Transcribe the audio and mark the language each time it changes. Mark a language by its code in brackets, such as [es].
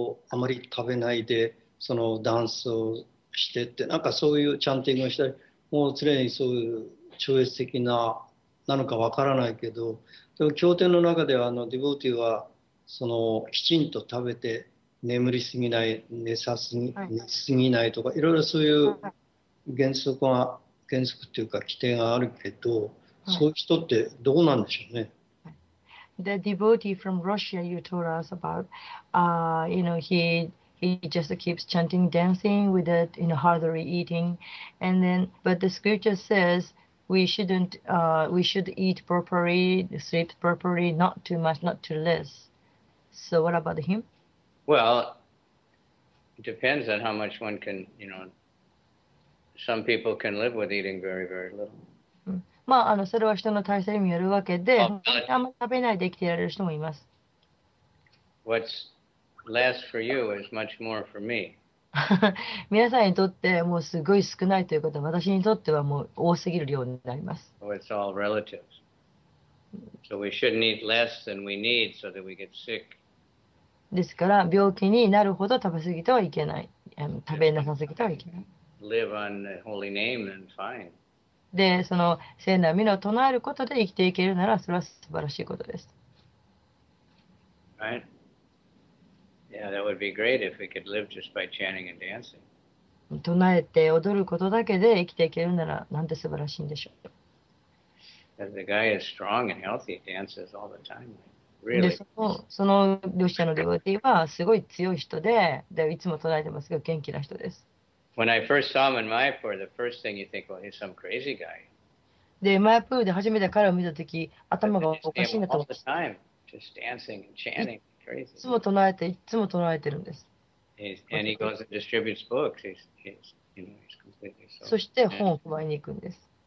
[ja] あまり食べないでそのダンスをしてって、なんかそういうチャンティングをしたり、もう常にそういう超越的なのかわからないけど、でも経典の中ではディボーティーはそのきちんと食べて眠りすぎない、寝すぎないとか、いろいろそういう原則が、原則というか規定があるけど、そういう人ってどうなんでしょうね。 [en] The devotee from Russia you told us about, you know, he just keeps chanting, dancing with it, you know, hardly eating, and then, but the scripture says we shouldn't, we should eat properly, sleep properly, not too much, not too less. So what about him? Well, it depends on how much one can, you know. Some people can live with eating very, very little. [ja] まあ、それは人の体制によるわけで、あんまり食べないで生きていられる人もいます。 [en] What's less for you is much more for me. [ja] 皆さんにとってもうすごい少ないということは、私にとってはもう多すぎる量になります。 [en] So it's all relative. So we shouldn't eat less than we need so that we get sick. [ja] ですから、病気になるほど食べ過ぎてはいけない。食べなさすぎてはいけない。 [en] Live on the holy name and fine. [ja] で、その聖なる名を唱えることで生きていけるなら、それは素晴らしいことです。 [en] Right? Yeah, that would be great if we could live just by chanting and dancing. [ja] 唱えて踊ることだけで生きていけるなら、なんて素晴らしいんでしょう。 [en] As the guy is strong and healthy, dances all the time. Really? [ja] で、その両者のデボティはすごい強い人で、でいつも唱えてますが、元気な人です。 [en] When I first saw him in Mayapur, the first thing you think, well, he's some crazy guy. [ja] で、マヤプールで初めて彼を見たとき、頭がおかしいなと思 [en] った。Just dancing and chanting, crazy. [ja] いつも唱えて、いつも唱えてるんです。 [en] And he goes and distributes books. He's completely so. [ja] そして本を配りに行くんです。